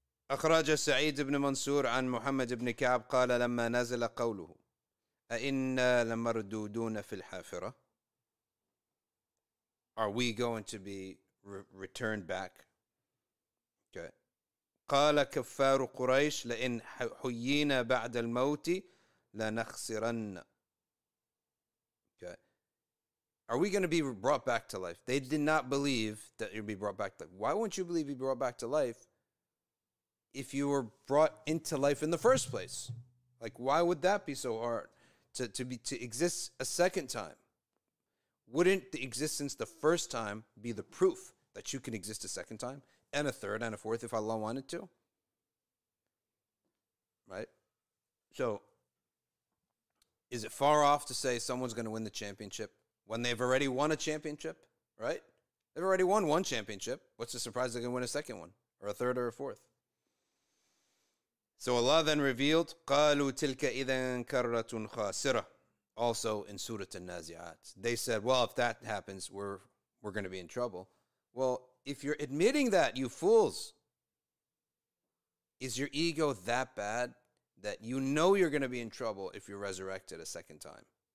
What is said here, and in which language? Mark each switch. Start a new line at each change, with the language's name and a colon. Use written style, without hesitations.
Arabic: أخرج سعيد بن منصور عن محمد بن كعب قال لما نزل قوله أَإِنَّا لَمَرْدُودُونَ فِي الْحَافِرَةِ.
English: Are we going to be returned back? Okay.
Arabic: قال كفار قريش لئن حيينا بعد الموت لنخسرن.
English: Okay. Are we going to be brought back to life? They did not believe that you'd be brought back to life. Why wouldn't you believe you'd be brought back to life if you were brought into life in the first place? Like, why would that be so hard to exist a second time? Wouldn't the existence the first time be the proof that you can exist a second time and a third and a fourth if Allah wanted to? Right? So, is it far off to say someone's going to win the championship when they've already won a championship? Right? They've already won one championship. What's the surprise they're going to win a second one or a third or a fourth? So Allah then revealed,
Arabic: قَالُوا تِلْكَ إِذَن كَرَّةٌ خَاسِرَةٌ.
English: Also in Surat An-Naziat, they said, well, if that happens, we're going to be in trouble. Well, if you're admitting that, you fools, is your ego that bad that you know you're going to be in trouble if you're resurrected a second time?